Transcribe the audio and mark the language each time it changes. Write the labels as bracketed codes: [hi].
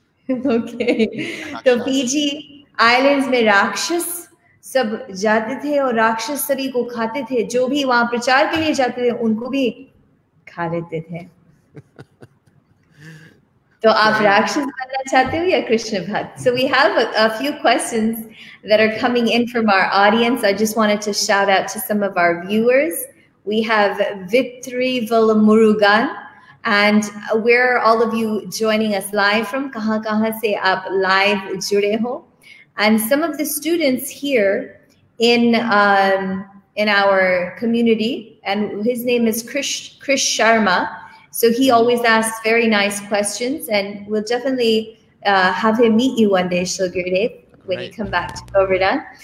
[hi] Okay, तो Fiji Islands में राक्षस सब जाते थे और राक्षस शरीर को खाते थे, जो भी वहां प्रचार के लिए जाते थे उनको भी खा लेते थे। तो आप राक्षस बनना चाहते हो या कृष्ण भक्त? [en] So we have a few questions that are coming in from our audience. I just wanted to shout out to some of our viewers. We have Vitri Valamurugan, and where are all of you joining us live from? [hi] कहां कहां से आप live जुड़े हो? [en] And some of the students here in our community, and his name is Krish Sharma. So he always asks very nice questions, and we'll definitely have him meet you one day, Shilgirdev, when you come back to Govardhan.